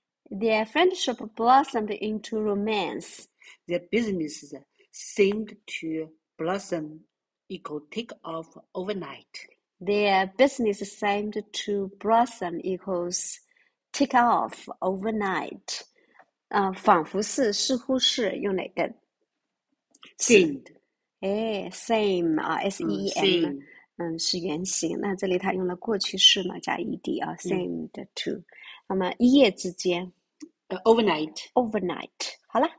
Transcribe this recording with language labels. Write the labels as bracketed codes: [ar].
[en] Their friendship blossomed into romance. Their business seemed to blossom equal take off overnight. Their business seemed to blossom equals take off overnight. [zh] 仿佛是，似乎是，用哪个词？ [en] Seemed， [zh] 哎，same 啊，S-E-E-M， [en] seemed， [zh] 是原型。那这里它用了过去式嘛，加 ed 啊，seemed to。那么一夜之间 [en] overnight， [zh] ，overnight，好了，